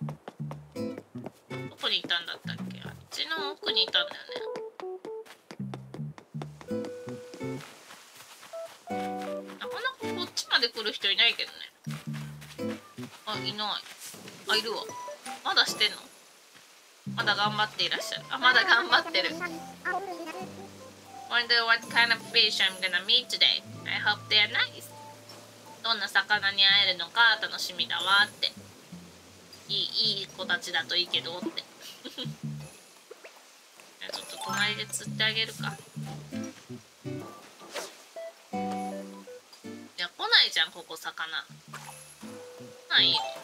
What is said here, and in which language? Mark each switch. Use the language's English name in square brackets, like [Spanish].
[Japanese] どこにいたんだったっけ。うちの奥にいたんだよね。なかなかこっちまで来る人いないけどね。あ、いない。あ、いるわ。まだしてんの。まだ頑張っていらっしゃる。あ、まだ頑張ってる。 [English] Wonder what kind of fish I'm gonna meet today. I hope they're nice. [Japanese] どんな魚に会えるのか楽しみだわって。いい子たちだといいけどって。ちょっと隣で釣ってあげるか。いや、来ないじゃん、ここ魚。来ないよ。